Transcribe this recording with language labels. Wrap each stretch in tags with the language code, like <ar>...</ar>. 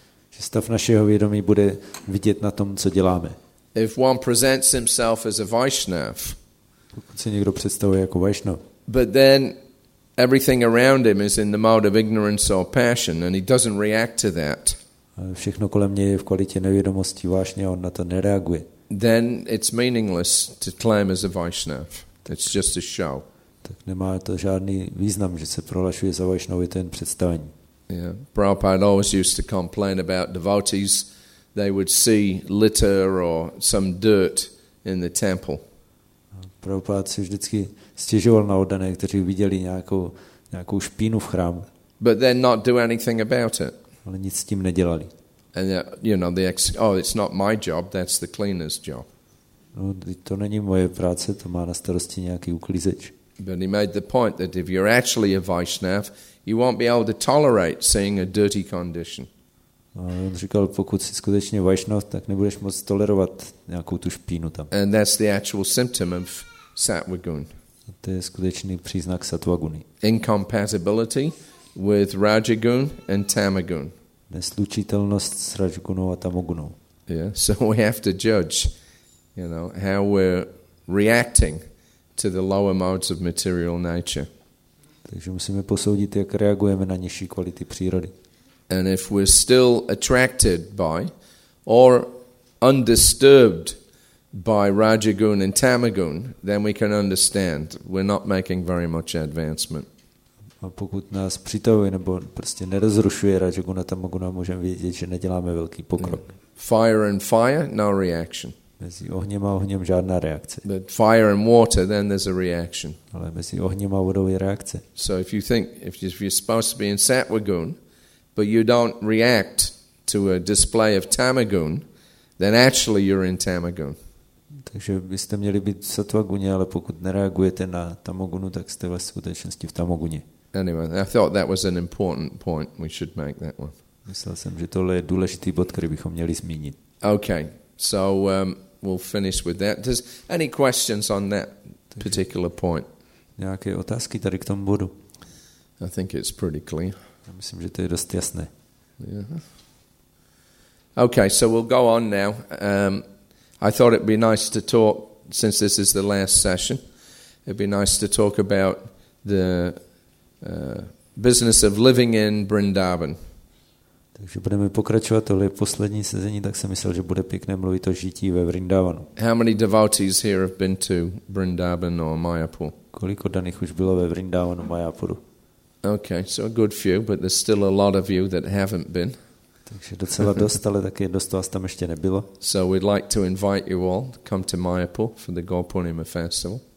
<cs>Že stav našeho vědomí bude vidět na tom, co děláme.</cs> <en>If one presents himself as a Vaishnav,</en> <cs>pokud se někdo představuje jako Vaishnav,</cs> <en>but then everything around him is in the mode of ignorance or passion, and he doesn't react to that.</en> <cs>Všechno kolem něj je v kvalitě nevědomosti, vášně, on na to nereaguje.</cs> <en>Then it's meaningless to claim as a Vaishnav. It's just a show.</en> <cs>Tak nemá to žádný význam, že se prohlašuje za Vaishnava, je to jen představení.</cs> <en>Yeah, Prabhupada always used to complain about devotees. They would see litter or some dirt in the temple.</en> <cs>Prabhupada si vždycky stěžoval na oddané, kteří viděli nějakou špínu v chrámu.</cs> <en>But then not do anything about it.</en> <cs>Ale nic s tím nedělali.</cs> <en>And you know the oh, it's not my job, that's the cleaner's job.</en> <cs>No, to není moje práce, to má na starosti nějaký uklízeč.</cs> <en>But he made the point that if you're actually a Vaishnav, you won't be able to tolerate seeing a dirty condition.</en> <cs>A on říkal, pokud jsi skutečně Vaishnav, tak nebudeš moc tolerovat nějakou tu špínu tam.</cs> <en>And that's the actual symptom of Sattvagun.</en> <cs>A to je skutečný příznak Sattvaguny.</cs> <en>Incompatibility with Rajagun and Tamagun.</en> <cs>Neslučitelnost s Rajagunou a Tamagunou.</cs> <en>Yeah, so we have to judge, you know, how we're reacting to the lower modes of material nature.</en> <cs>Takže musíme posoudit, jak reagujeme na nižší kvality přírody.</cs> <en>And if we're still attracted by or undisturbed by Rajagun and Tamagun, then we can understand we're not making very much advancement.</en> <cs>A pokud nás přitahuje nebo prostě nerozrušuje Rajaguna Tamaguna, můžeme vidět, že neděláme velký pokrok.</cs> <en>Fire and fire, no reaction.</en> <cs>Mezi ohněm a ohněm žádná reakce.</cs> <en>But fire and water, then there's a reaction.</en> <cs>Ale mezi ohněm a vodou je reakce.</cs> <en>So if you think, if you're supposed to be in Sattvagun, but you don't react to a display of Tamagun, then actually you're in Tamagun.</en> <cs>Takže byste měli být v Sattvaguně, ale pokud nereagujete na Tamagunu, tak jste ve skutečnosti v Tamaguně.</cs> <en>Anyway, I thought that was an important point. We should make that one.</en> <cs>Myslel jsem, že tohle je důležitý bod, který bychom měli zmínit.</cs> <en>Okay, so we'll finish with that. Does any questions on that particular point?</en> <cs>Nějaké otázky tady k tomu bodu?</cs> <en>I think it's pretty clear.</en> <cs>Já myslím, že to je dost jasné.</cs> <en>Yeah. Okay, so we'll go on now. I thought it'd be nice to talk, since this is the last session, it'd be nice to talk about the business of living in Vrindavan.</en> <cs>Takže budeme pokračovat, tohle je poslední sezení, tak jsem myslel, že bude pěkné mluvit o žití ve Vrindavanu.</cs> <en>How many devotees here have been to Vrindavan or Mayapur?</en> <cs>Kolik oddaných už bylo ve Vrindavanu, Mayapuru?</cs> <en>Okay, so a good few, but there's still a lot of you that haven't been.</en> <cs>Takže docela dost, ale taky dost vás tam ještě nebylo.</cs> <en>So we'd like to invite you all to come to Mayapur for the Gaupurnima festival.</en>